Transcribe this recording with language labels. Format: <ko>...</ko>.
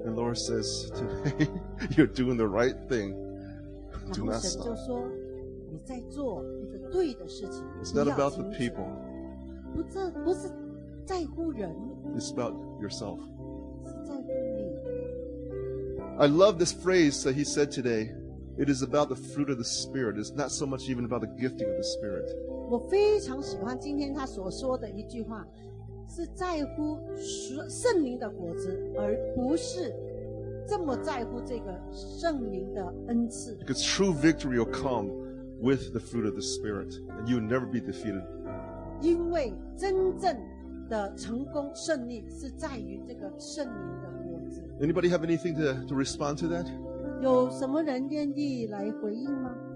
<en>And Lord says today, you're doing the right thing. Do not stop.</en> <zh>然后神就说，你在做一个对的事情。</zh> <en>It's not about the people.</en> <zh>不是在乎人。</zh> <en>It's about yourself.</en> <zh>是在乎你。</zh> <en>I love this phrase that he said today. It is about the fruit of the Spirit. It's not so much even about the gifting of the Spirit.</en> <zh>我非常喜欢今天他所说的一句话，是在乎圣灵的果子，而不是这么在乎这个圣灵的恩赐。</zh> <en>Because true victory will come with the fruit of the Spirit, and you'll never be defeated.</en> <zh>因为真正的成功胜利是在于这个圣灵的果子。</zh> <en>Anybody have anything to respond to that?</en> <zh>有什么人愿意来回应吗？</zh>